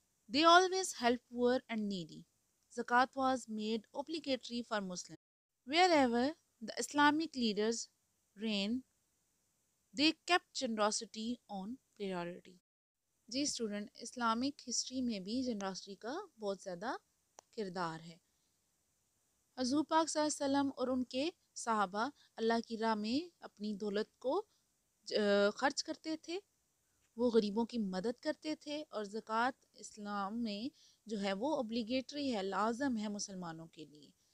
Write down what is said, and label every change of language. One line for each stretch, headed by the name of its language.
English: They always help poor and needy. زکوٰۃ was made obligatory for Muslim. Where the Islamic leaders reign they kept generosity on poverty.
Urdu: جی student, Islamic history میں بھی generosity کا بہت زیادہ کردار ہے. حضور پاک صلی اللہ علیہ وسلم اور ان کے صحابہ اللہ کی راہ میں اپنی دولت کو خرچ کرتے تھے, وہ غریبوں کی مدد کرتے تھے, اور زکوٰۃ اسلام میں جو ہے وہ ابلیگیٹری ہے, لازم ہے مسلمانوں کے لیے.